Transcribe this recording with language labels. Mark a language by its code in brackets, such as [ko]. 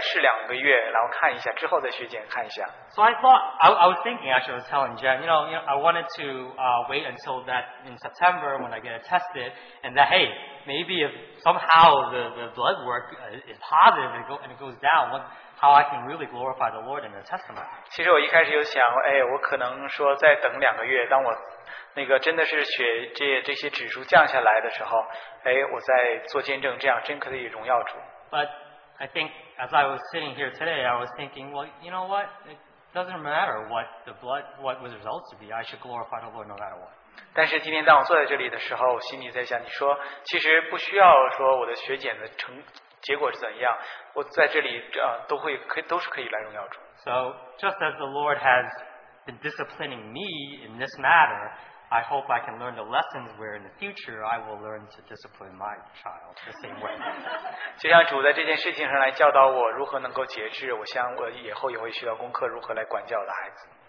[en] So I was telling Jen, I wanted to wait until that in September when I get it tested, and that, hey, maybe if somehow the blood work is positive and it goes down, how I can really glorify the Lord in the testimony. [zh] 其实我一开始有想，哎，我可能说再等两个月，当我 那个真的是血这些指数降下来的时候，哎，我在做见证，这样真可以荣耀主。 [en] But I think as I was sitting here today, I was thinking, well, you know what? doesn't matter what the blood, what the results would be. I should glorify the Lord no matter what. [zh] 但是今天当我坐在这里的时候，心里在想，你说其实不需要说我的血检的结果是怎样，我在这里都是可以来荣耀主。 [en] So just as the Lord has been disciplining me in this matter, I hope I can learn the lessons where in the future I will learn to discipline my child the same way. [zh] 就像主在这件事情上来教导我如何能够节制，我想我以后也会学到功课，如何来管教我的孩子。